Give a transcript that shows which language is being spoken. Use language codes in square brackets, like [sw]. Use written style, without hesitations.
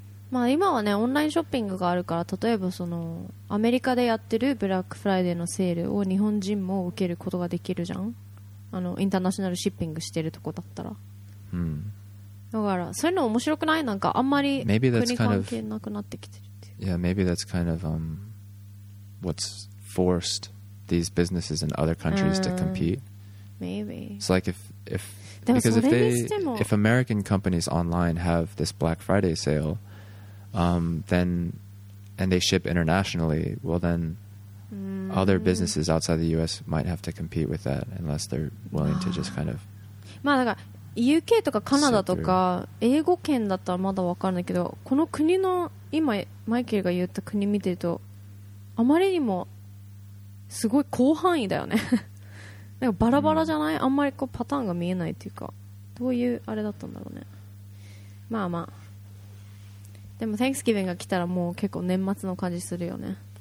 [ja] まあ今はね、オンラインショッピングがあるから、例えばそのアメリカでやってるブラックフライデーのセールを日本人も受けることができるじゃん。あの、インターナショナルショッピングしてるとこだったら。うん。だからそういうの面白くないなんかあんまり国関係なくなってきてるっていう。 [en] Yeah, maybe that's kind of what's forced these businesses in other countries to compete. Maybe. It's like if because if American companies online have this Black Friday sale, then and they ship internationally, well then other businesses outside the U.S. might have to compete with that unless they're willing to just kind of. [ja] まあだから。 UK とかカナダとか英語圏だったらまだ分からないけどこの国の今マイケルが言った国見てるとあまりにもすごい広範囲だよねなんかバラバラじゃない、うん、あんまりこうパターンが見えないっていうかどういうあれだったんだろうねまあまあでも Thanksgiving が来たらもう結構年末の感じするよね、